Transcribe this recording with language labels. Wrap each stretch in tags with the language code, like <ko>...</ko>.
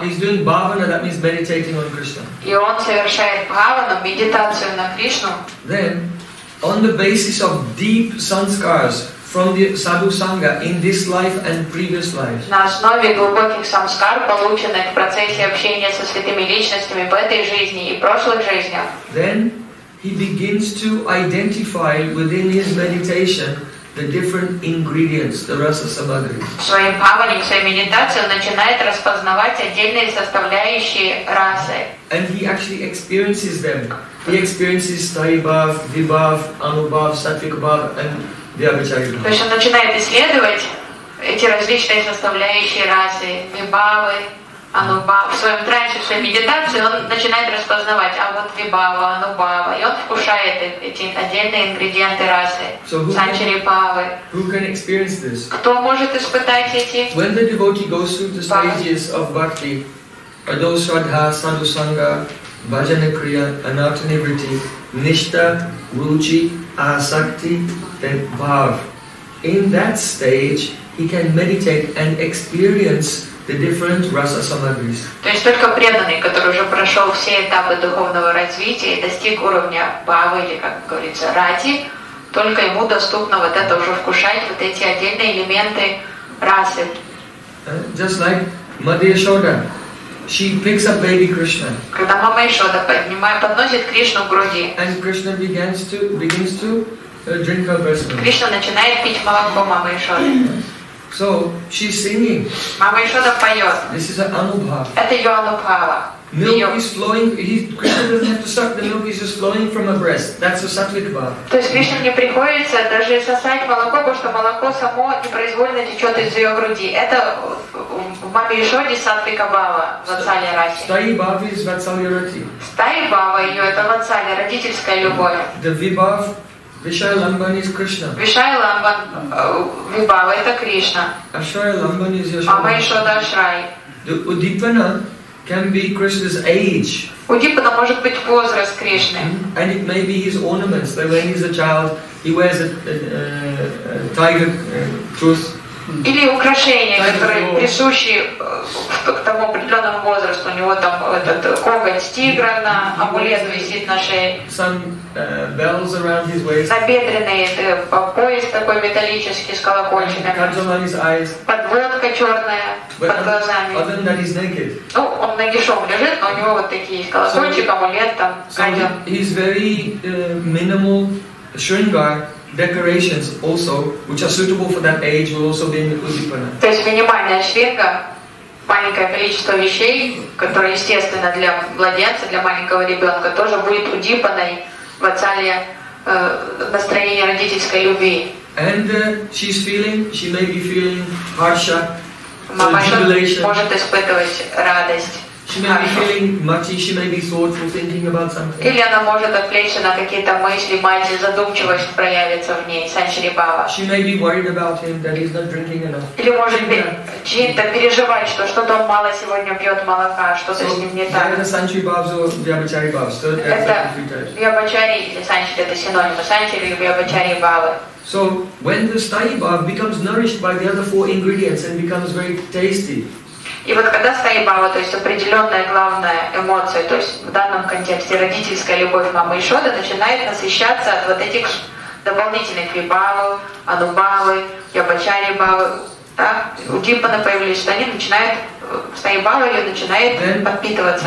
<en>He's doing bhavana, that means meditating on Krishna.</en> <ru>И он совершает bhavana, медитацию на Кришну.</ru> <en>Then, on the basis of deep sanskars, from the sadhu sangha in this life and previous lives.</en> <ru>На основе глубоких самскар, полученных в процессе общения со святыми личностями в этой жизни и прошлых жизнях.</ru> <en>Then he begins to identify within his meditation the different ingredients, the rasa samagri.</en> <ru>В своей бхавани, в своей медитации, он начинает распознавать отдельные составляющие расы.</ru> <en>And he actually experiences them. He experiences sthayibhav, vibhav, anubhav, sattvikbhav, and vyabhicharibhav.</en> <ru>То есть он начинает исследовать эти различные составляющие расы, вибавы, анубавы. В своем трансе, в своей медитации он начинает распознавать, а вот вибава, анубава. И он вкушает эти отдельные ингредиенты расы, санчарибавы.</ru> <en>Who can experience this?</en> <ru>Кто может испытать эти?</ru> <en>When the devotee goes through the stages of bhakti, adosradha, sadhusanga, Bhajana Kriya, Anatanivriti, Nishta, Ruchi, Asakti, then Bhav. In that stage, he can meditate and experience the different rasa samagris.</en> <ru>То есть только преданный, который уже прошел все этапы духовного развития и достиг уровня Бхавы, или как говорится, Рати, только ему доступно вот это уже вкушать, вот эти отдельные элементы расы.</ru> <en>Just like Madhya Shoda. She picks up baby Krishna.</en> <ru>Когда мама Ешода подносит Кришну к груди.</ru> <en>And Krishna begins to drink her breast milk.</en> <ru>Кришна начинает пить молоко мамы Ешоды.</ru> <en>So she's singing.</en> <ru>Мама Ешода поет.</ru> <en>This is an anubhava.</en> <ru>Это ее анубхава.</ru> <en>Milk is flowing. Krishna doesn't have to suck. The milk is just flowing from her breast. That's a sattvic bhava.</en> <ru>То есть Кришне не приходится даже сосать молоко, потому что молоко само непроизвольно течет из ее груди. Это в маме Ешоде сатвика бхава, ватсалья рати. Стаи бхава из ватсалья рати. Стаи бхава ее это ватсалья, родительская любовь.</ru> <en>The vibhav, Vishaya Lamban is Krishna.</en> <ru>Vishaya Lamban, vibhava это Кришна.</ru> <en>Ашрая Ламбан is Ешода.</en> <ru>Мама Ешода Ашрай.</ru> <en>The Udipana can be Krishna's age.</en> <ru>Удипана может быть возраст Кришны.</ru> <en>And it may be his ornaments. Like when he's a child, he wears a tiger trunk.</en> <ru>Или украшения, которые присущи к тому определенному возрасту. У него там этот коготь тигра на амулет висит на шее.</ru> <en>Bells around his waist.</en> <ru>Набедренный пояс такой металлический с колокольчиками. Подводка черная под глазами.</ru> <en>Other than that, he's naked.</en> <ru>Ну, он нагишом лежит, но у него вот такие колокольчик, амулет там.</ru> <en>He's very minimal shringar. Decorations also, which are suitable for that age, will also be in the Udipana.</en> <ru>То есть минимальная шринга, маленькое количество вещей, которые естественно для младенца, для маленького ребенка, тоже будет удипаной в ацалье настроение родительской любви.</ru> <en>And she's feeling, she may be feeling harsha, jubilation.</en> <ru>Может испытывать радость.</ru> <en>She may be feeling mati, she may be thoughtful, thinking about something.</en> <ru>Или она может отвлечься на какие-то мысли, мати, задумчивость проявится в ней, санчарибава.</ru> <en>She may be worried about him, that he's not drinking enough.</en> <ru>Или может быть, чьи-то переживать, что что-то он мало сегодня пьет молока, что-то с ним не так. Это санчарибавз или вьябачарибавз? Это вьябачари или санчари, это синонимы, санчари или вьябачарибавы.</ru> <en>So when the sthayibhav becomes nourished by the other four ingredients and becomes very tasty,</en> <ru>и вот когда стоит бхава, то есть определенная главная эмоция, то есть в данном контексте родительская любовь мамы Ешоды начинает насыщаться от вот этих дополнительных вибавов, анубавы, ябачари бхавы, да? Удипаны появились, что они начинают, стоит бхава ее начинает подпитываться.</ru>